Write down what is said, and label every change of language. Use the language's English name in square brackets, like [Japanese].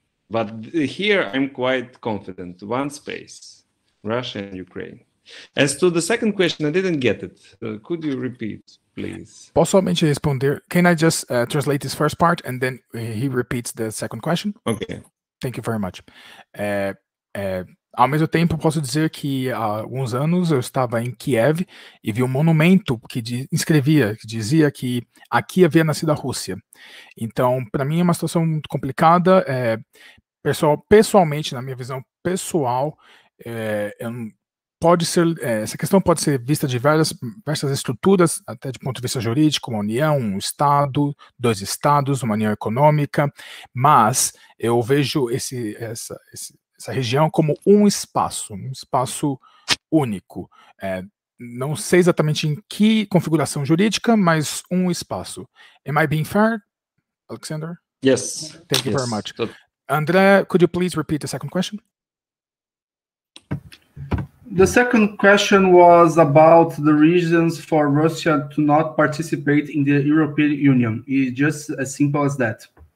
[English] But here I'm quite confident, one space, Russia and Ukraine. As to the second question, I didn't get it. Could you repeat, please? [Portuguese] Posso somente responder? [English] Can I just translate this first part and then he repeats the second question? Okay. Thank you very much. [Portuguese] Ao mesmo tempo, posso dizer que há alguns anos eu estava em Kiev e vi um monumento que inscrevia, que dizia que aqui havia nascido a Rússia. Então, para mim é uma situação muito complicada. Pessoalmente, na minha visão pessoal, essa questão pode ser vista de diversas estruturas, até de ponto de vista jurídico, uma união, um Estado, dois Estados, uma união econômica, mas eu vejo essa região como um espaço único. Não sei exatamente em que configuração jurídica, mas um espaço. [English] Am I being fair, Aleksandr? Yes. Thank you yes. very much. André, could you please repeat the second question? The second question was about the reasons for Russia to not participate in the European Union. It's just as simple as that.